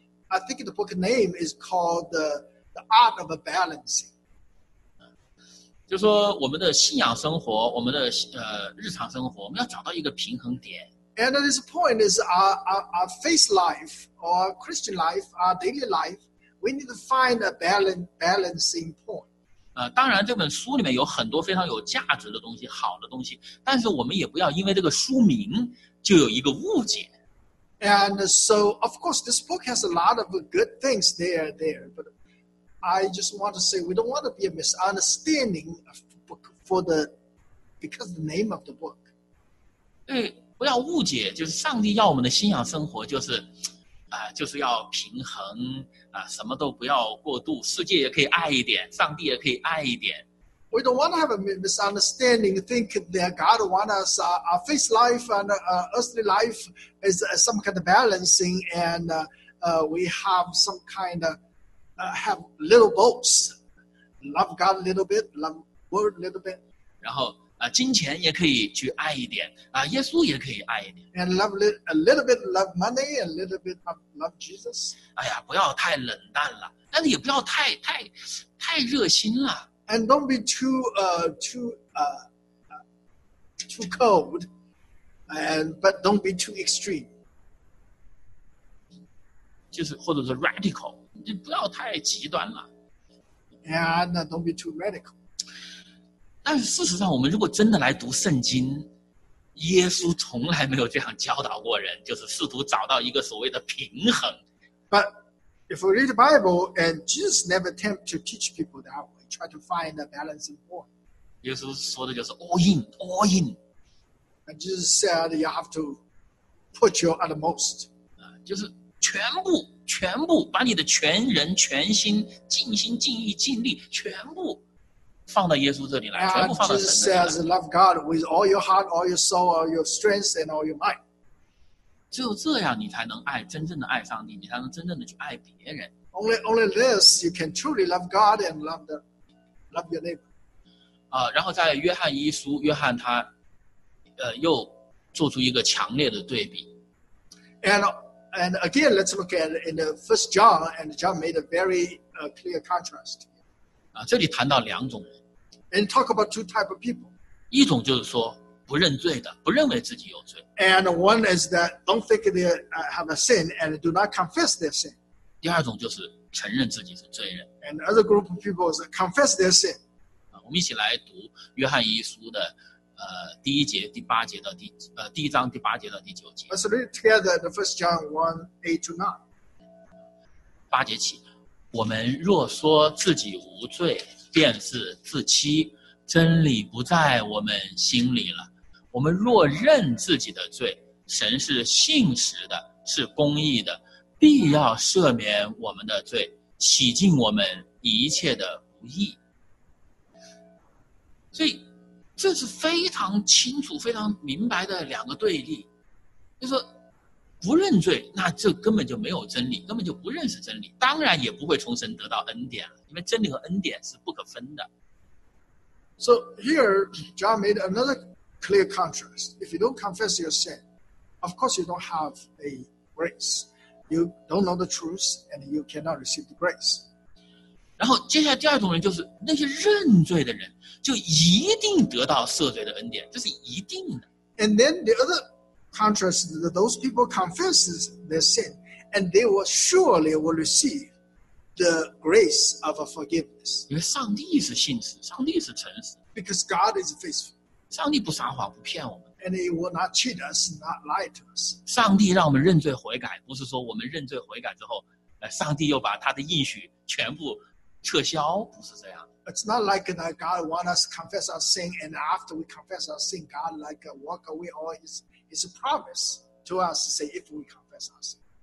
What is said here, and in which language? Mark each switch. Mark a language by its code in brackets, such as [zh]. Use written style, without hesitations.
[en] I think the book name is called The Art of Balancing. [zh] 就说我们的信仰生活，我们的日常生活，我们要找到一个平衡点。 [en] And this point is our faith life, or Christian life, our daily life, we need to find a balancing point. [zh] 当然这本书里面有很多非常有价值的东西，好的东西，但是我们也不要因为这个书名就有一个误解。 [en] And so, of course, this book has a lot of good things there, but I just want to say we don't want to be a misunderstanding of the book for the because of the name of the book. [zh] 对，不要误解，就是上帝要我们的信仰生活就是就是要平衡什么都不要过度，世界也可以爱一点，上帝也可以爱一点。 [en] We don't want to have a misunderstanding, think that God wants us, our faith life and earthly life is some kind of balancing, and we have some kind of, have little boats. Love God a little bit, love world a little bit. [zh] 然后金钱也可以去爱一点，耶稣也可以爱一点。 [en] And love a little bit love money, a little bit love Jesus. [zh] 哎呀，不要太冷淡了，但是也不要太热心了。 [en] And don't be too cold, but don't be too extreme. [zh] 就是或者是 radical, 就不要太极端了。 [en] And don't be too radical. [zh] 但是事实上，我们如果真的来读圣经，耶稣从来没有这样教导过人，就是试图找到一个所谓的平衡。 [en] But if we read the Bible, and Jesus never attempt to teach people that way. Try to find a balancing point. [zh] 耶稣说的就是 [en] all in, all in. And Jesus said you have to put your utmost. [zh] 就是全部，全部，把你的全人、全心、尽心、尽意、尽力，全部放到耶稣这里来，全部放到神那里来。 [en] And Jesus says love God with all your heart, all your soul, all your strength, and all your mind. [zh] 只有这样，你才能爱真正的爱上帝，你才能真正的去爱别人。 [en] Only this, you can truly love God and love your neighbor. [zh] 然后在约翰一书，约翰他，又做出一个强烈的对比。 [en] And again, let's look at in the first John, and John made a very clear contrast. [zh] 这里谈到两种人。 [en] And talk about two type of people. [zh] 一种就是说不认罪的，不认为自己有罪。 [en] And one is that don't think they have a sin and do not confess their sin. [zh] 第二种就是承认自己是罪人。 [en] And other group of people is confess their sin. [zh] 我们一起来读约翰一书的第一节第八节到第第一章第八节到第九节。 [en] Let's read together the first John 1:8-9. [zh] 八节起，我们若说自己无罪，便是自欺，真理不在我们心里了。我们若认自己的罪，神是信实的，是公义的。必要赦免我们的罪，洗净我们一切的不义。所以，这是非常清楚、非常明白的两个对立。就是说，不认罪，那这根本就没有真理，根本就不认识真理，当然也不会从神得到恩典，因为真理和恩典是不可分的。 [en] So here, John made another clear contrast. If you don't confess your sin, of course you don't have a grace. You don't know the truth, and you cannot receive the grace. [zh] 然后接下来第二种人就是那些认罪的人，就一定得到赦罪的恩典，这是一定的。 [en] And then the other contrast is that those people confess their sin, and they will surely will receive the grace of a forgiveness. [zh] 因为上帝是信实，上帝是诚实。 [en] Because God is faithful. [zh] 上帝不撒谎，不骗我们。 [en] And he will not cheat us, not lie to us. [zh] 上帝让我们认罪悔改，不是说我们认罪悔改之后，上帝又把他的应许全部撤销，不是这样。 [en] It's not like that God wants us to confess our sin, and after we confess our sin, God like walk away all his promise to us, say if we confess our sin.